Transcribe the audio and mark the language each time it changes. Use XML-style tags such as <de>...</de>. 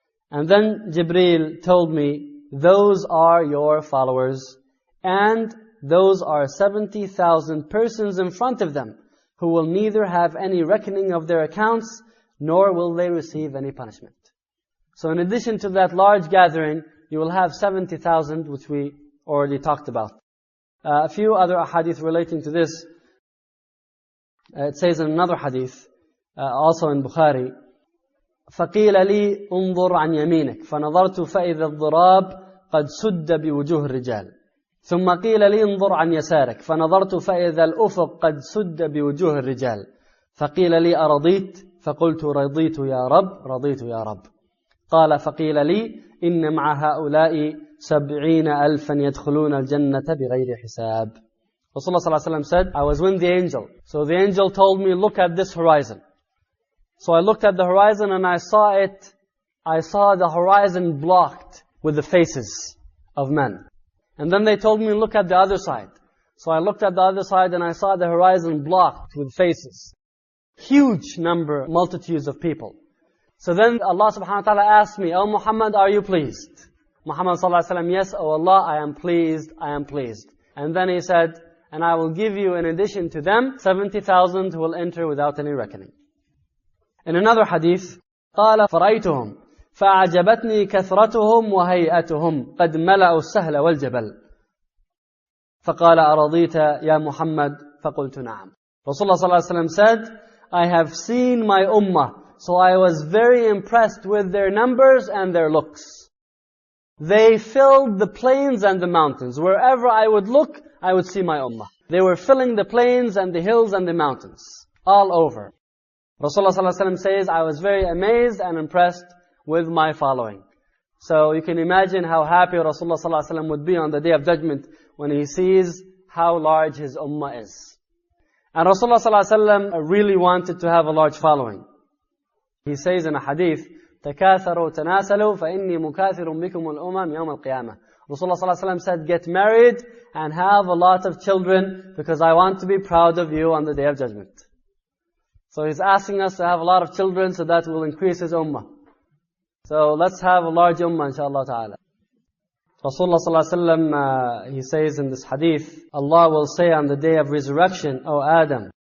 <en>And then Jibreel told me, those are your followers, and those are 70,000 persons in front of them, who will neither have any reckoning of their accounts, nor will they receive any punishment. So in addition to that large gathering, you will have 70,000, which we already talked about. A few other ahadith relating to this. It says in another hadith, also in Bukhari,</en> <ar>فَقِيلَ لِي أُنظُرْ عَنْ يَمِينِكَ فَنَظَرْتُ فَإِذَا الضُّرَابْ قَدْ سُدَّ بِوُجُوهِ الرِّجَالِ ثم قيل لي انظر عن يسارك فنظرت فإذا الأفق قد سد بوجوه الرجال فقيل لي أرضيت فقلت رضيت يا رب رضيت يا رب قال فقيل لي إن مع هؤلاء 70,000 يدخلون الجنة بغير حساب.</ar> <en>رسول الله صلى الله عليه وسلم said, I was with the angel. So the angel told me, look at this horizon. So I looked at the horizon and I saw the horizon blocked with the faces of men. And then they told me, look at the other side. So I looked at the other side and I saw the horizon blocked with faces. Huge number, multitudes of people. So then Allah subhanahu wa ta'ala asked me, O Muhammad, are you pleased? Muhammad sallallahu alayhi wa sallam, yes, O Allah, I am pleased, I am pleased. And then he said, and I will give you in addition to them, 70,000 who will enter without any reckoning. In another hadith,</en> <ar>قَالَ فَرَأَيْتُهُمْ فَعَجَبَتْنِي كَثْرَتُهُمْ وَهَيْئَتُهُمْ قَدْ مَلَأُوا السَّهْلَ وَالْجَبَلِ فَقَالَ أَرَضِيتَ يَا مُحَمَّدْ فَقُلْتُ نَعَمْ.</ar> <en>Rasulullah صلى الله عليه وسلم said, I have seen my ummah, so I was very impressed with their numbers and their looks. They filled the plains and the mountains. Wherever I would look, I would see my ummah. They were filling the plains and the hills and the mountains, all over. Rasulullah صلى الله عليه وسلم says, I was very amazed and impressed with my following. So you can imagine how happy Rasulullah sallallahu alayhi wa sallam would be on the Day of Judgment when he sees how large his ummah is. And Rasulullah sallallahu alayhi wa sallam really wanted to have a large following. He says in a hadith,</en> <ar>تَكَاثَرُوا تَنَاسَلُوا فَإِنِّي مُكَاثِرٌ بِكُمُ الْأُمَمْ يَوْمَ الْقِيَامَةِ.</ar> <en>Rasulullah sallallahu alayhi wa sallam said, get married and have a lot of children because I want to be proud of you on the Day of Judgment. So he's asking us to have a lot of children so that will increase his ummah. So let's have a large ummah, inshaAllah ta'ala. Rasulullah sallallahu alayhi wa sallam, he says in this hadith, Allah will say on the day of resurrection, O Adam.</en>